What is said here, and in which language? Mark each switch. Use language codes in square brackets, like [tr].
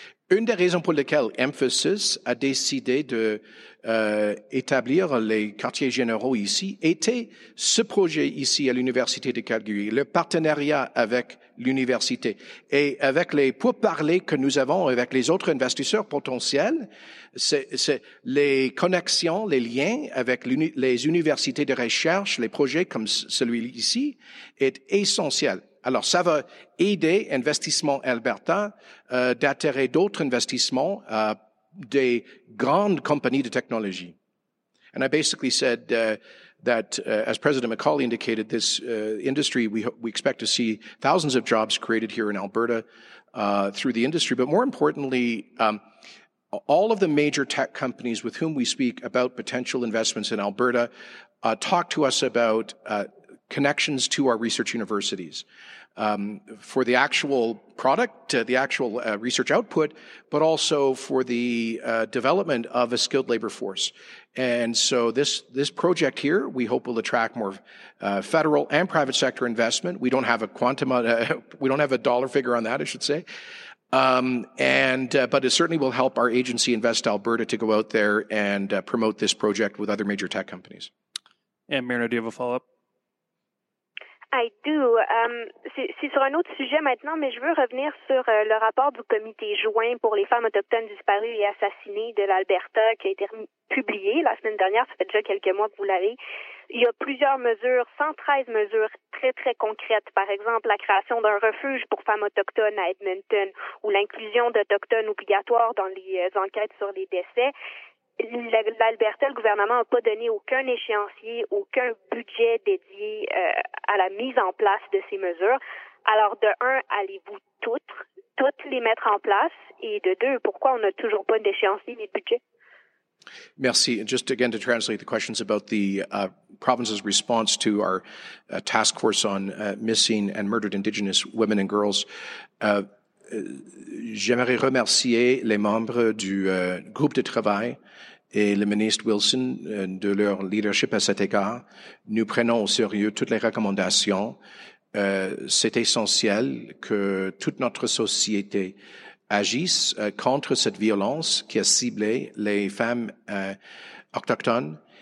[fr] Une des raisons pour lesquelles Emphasis a décidé de établir les quartiers généraux ici était ce projet ici à l'Université de Calgary, le partenariat avec l'Université et avec les pourparlers que nous avons avec les autres investisseurs potentiels, c'est les connexions, les liens avec les universités de recherche, les projets comme celui ici est essentiel. Alors, ça va aider Investissement Alberta d'attirer d'autres investissements des grandes compagnies de technologie. [en] And I basically said that, as President McCauley indicated, this industry, we expect to see thousands of jobs created here in Alberta through the industry. But more importantly, all of the major tech companies with whom we speak about potential investments in Alberta talk to us about connections to our research universities. For the actual product, the actual research output, but also for the development of a skilled labor force. And so this project here, we hope will attract more federal and private sector investment. We don't have a quantum, we don't have a dollar figure on that, I should say. But it certainly will help our agency Invest Alberta to go out there and promote this project with other major tech companies. And Marina, do you have a follow-up? I do. [fr] C'est sur un autre sujet maintenant, mais je veux revenir sur le rapport du comité joint pour les femmes autochtones disparues et assassinées de l'Alberta qui a été publié la semaine dernière. Ça fait déjà quelques mois que vous l'avez. Il y a plusieurs mesures, 113 mesures très, très concrètes. Par exemple, la création d'un refuge pour femmes autochtones à Edmonton ou l'inclusion d'autochtones obligatoires dans les enquêtes sur les décès. L'Alberta, le gouvernement n'a pas donné aucun échéancier, aucun budget dédié à la mise en place de ces mesures. Alors, de un, allez-vous toutes les mettre en place? Et de deux, pourquoi on n'a toujours pas d'échéancier ni de budget? Merci. [en] And just again to translate the questions about the province's response to our task force on missing and murdered Indigenous women and girls. [fr] J'aimerais remercier les membres du groupe de travail et le ministre Wilson de leur leadership à cet égard. Nous prenons au sérieux toutes les recommandations. C'est essentiel que toute notre société agisse contre cette violence qui a ciblé les femmes autochtones.